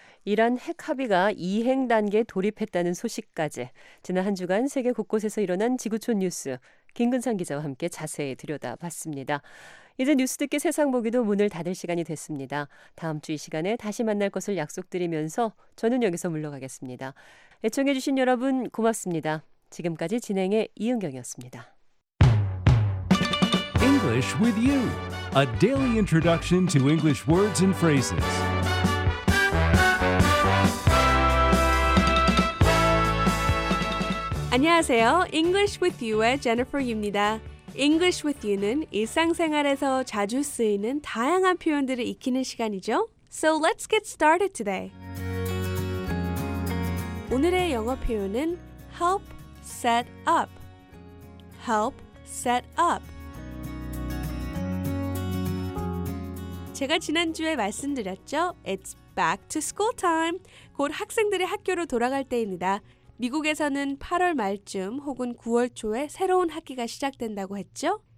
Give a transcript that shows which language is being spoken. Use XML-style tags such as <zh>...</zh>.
<ko>이란 핵 합의가 이행 단계에 돌입했다는 소식까지 지난 한 주간 세계 곳곳에서 일어난 지구촌 뉴스 김근상 기자와 함께 자세히 들여다봤습니다. 이제 뉴스 듣기 세상 보기도 문을 닫을 시간이 됐습니다. 다음 주 이 시간에 다시 만날 것을 약속드리면서 저는 여기서 물러가겠습니다. 애청해 주신 여러분 고맙습니다. 지금까지 진행의 이은경이었습니다.</ko> <en>English with you. A daily introduction to English words and phrases.</en> <ko>안녕하세요. English with You의 제니퍼입니다. English with You는 일상생활에서 자주 쓰이는 다양한 표현들을 익히는 시간이죠.</ko> <en>So let's get started today.</en> <ko>오늘의 영어 표현은 help set up.</ko> <en>Help set up.</en> <ko>제가 지난주에 말씀드렸죠?</ko> <en>It's back to school time.</en> <ko>곧 학생들이 학교로 돌아갈 때입니다. 미국에서는 8월 말쯤 혹은 9월 초에 새로운 학기가 시작된다고 했죠?</ko>